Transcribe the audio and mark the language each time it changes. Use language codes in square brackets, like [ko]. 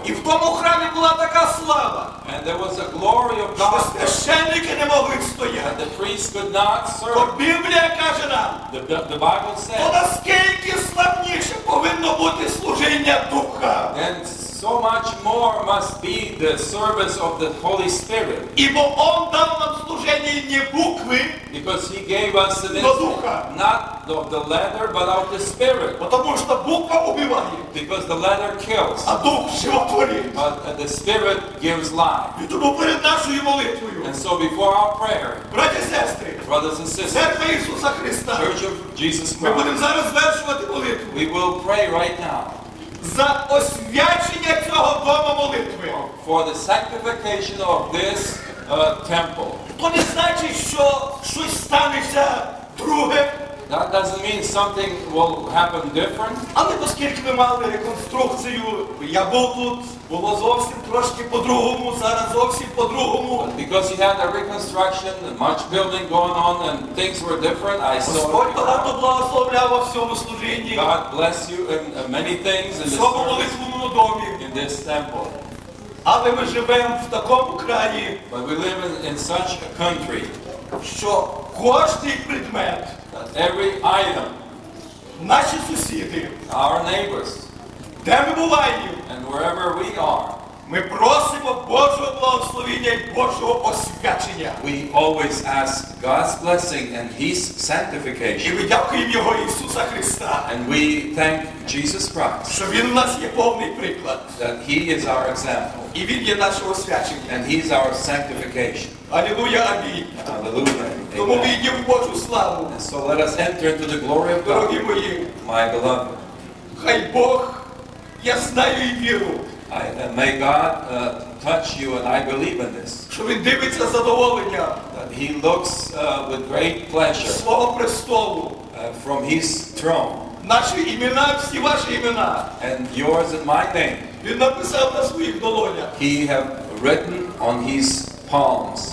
[uk] І в тому храмі була така слава. [en] And there was a glory of God. [uk] Священники не могли стояти. [en] And the priests could not serve. [uk] Бо Біблія каже нам. [en] The Bible says. [uk] То наскільки славніше повинно бути служіння Духа. [en] And so much more must be the service of the Holy Spirit. [uk] Ібо Он дав нам служіння [ru] не буквы, [en] because he gave us the [ru] духа, [en] not of the letter, but of the spirit. [ru] Потому что буква убивает, [en] because the letter kills. [ru] А дух животворит. [en] But the spirit gives life. [uk] И тому перед нашою молитвою. [en] And so before our prayer, [ru] братья и сестри, [en] brothers and sisters, церкви [uk] Ісуса Христа, [en] Church of Jesus Christ, [uk] ми будемо зараз звершувати молитву. [en] We will pray right now. [uk] За освячення цього дому молитви. [en] For the sanctification of this temple. [uk] То не значить, що щось станеться друге. [en] That doesn't mean something will happen different. [uk] Але оскільки ми мали реконструкцію, я був тут, було зовсім трошки по-другому, зараз зовсім по-другому. [en] But because you had a reconstruction, much building going on, and things were different, I saw. [uk] Господь багато благословляв у всьому служінні. [en] God bless you in many things in this [uk] Домі. [en] In this temple. [uk] Але ми живемо в такому краї. [en] But we live in such a country. [uk] Що кожний предмет. [en] Every item. [uk] Наші сусіди. [en] Our neighbors. [uk] Де ми буваємо. [en] And wherever we are. [uk] Ми просимо Божого благословення і Божого освячення. [en] We always ask God's blessing and His sanctification. [uk] І ми дякуємо Його Ісуса Христа. [en] And we thank Jesus Christ. [uk] Що Він у нас є повний приклад. [en] That He is our example. [uk] І Він є нашого освячення. [en] And He is our sanctification. [uk] Алілуя, амінь. Алілуя. Тому ми йдемо в Божу славу. [en] And so let us enter into the glory of God. [uk] Дорогі мої. [en] My beloved. [uk] Хай Бог, я знаю і віру. [en] And may God touch you, and I believe in this. [uk] Що він дивиться з задоволення. [en] That he looks with great pleasure. [uk] Свого престолу. [en] From his throne. [uk] Наші імена, всі ваші імена. [en] And yours and my name. [uk] Він написав на своїх долонях. [en] He have written on his palms.